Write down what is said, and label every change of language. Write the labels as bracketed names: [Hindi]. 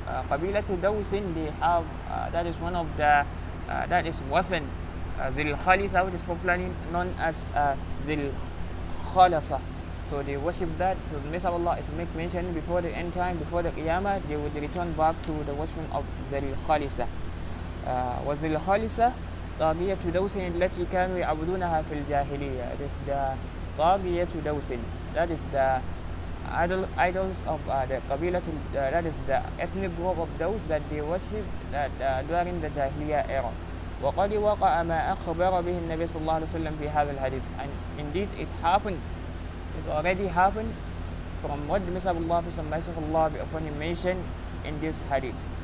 [English] قبيلة دوس, they have that is one of the that is wathan, ذي الخالصة, which is popularly known as ذي الخالصة. So they worship that. So the Messenger of Allah is make mention before the end time, before the Qiyamah, they would return back to the worshiping of ذي الخالصة. [Arabic] وذي الخالصة طاغية دوسين التي كانوا يعبدونها في الجاهلية. [English] It is the [Arabic] طاغية دوسين. [English] That is the idols of the Qabila, that is the ethnic group of those that they worshipped during the Jahiliya era. [Arabic] وقد وقع ما أخبر به النبي صلى الله عليه وسلم في هذا الحديث. [English] And indeed it happened, it already happened from what the Messenger of Allah peace and blessings of Allah be upon him mentioned in this hadith.